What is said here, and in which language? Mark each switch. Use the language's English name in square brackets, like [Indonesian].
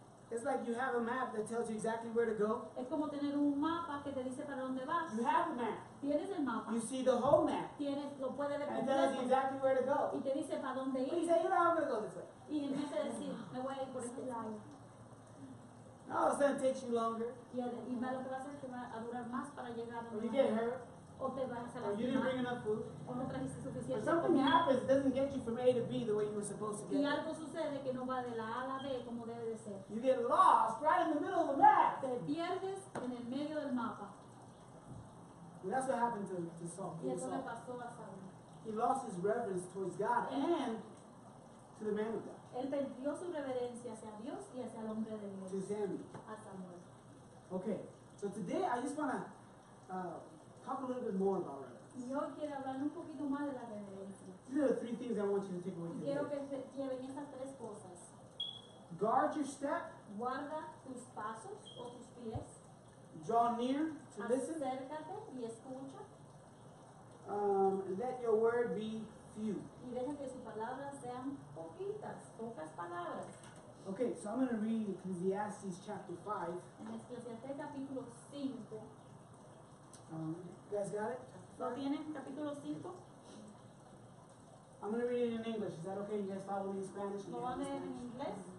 [English] It's like you have a map that tells you exactly where to go. [Spanish] Es como tener un mapa que te dice para dónde vas. [English] You have a map. [Spanish] Tienes el mapa. [English] You see the whole map. [Spanish] Tienes, lo puedes ver. [English] And tells you exactly where to go. [Spanish] Y te dice para dónde ir. [English] You say, you know, I'm going to go this way. [Spanish] Y empieza a decir, me voy a ir por este lado. [English] No, it's going to take you longer. [Spanish] Y va lo que va a hacer es que va a durar más para llegar a donde. [English] Or you get hurt. [Spanish] O te vas a la. [English] Or you didn't bring enough food. [Spanish] O no trajiste suficiente. [English] Or something happens, it doesn't get you from A to B the way you were supposed to get. [Spanish] Y algo sucede que no va de la A a la B como debe de ser. [English] You get lost right in the middle of the map. [Spanish] Te pierdes en el medio del mapa. [English] And that's what happened to Saul. [Spanish] Y eso le pasó a Saul. [English] He lost his reverence towards God and to the man of God. [Spanish] Él perdió su reverencia hacia Dios y hacia el hombre de Dios. [English] To Samuel. Okay, so today I just want to talk a little bit more about reverence. [Spanish] Yo quiero hablar un poquito más de la reverencia. [English] These are the three things I want you to take away today. [Spanish] Quiero que lleven estas tres cosas. [English] Guard your step. [Spanish] Guarda tus pasos o tus pies. [English] Draw near to listen. [Spanish] Acércate y escucha. [English] Let your word be few. [Spanish] Y deja que sus palabras sean poquitas, pocas palabras. [English] Okay, so I'm going to read Ecclesiastes chapter 5. [Spanish] En Ecclesiastes capítulo 5. [English] You guys got it? [Spanish] ¿Lo tienen? Capítulo 5. [English] I'm going to read it in English. Is that okay? You guys follow me in Spanish? [Spanish] ¿Lo van a leer en inglés?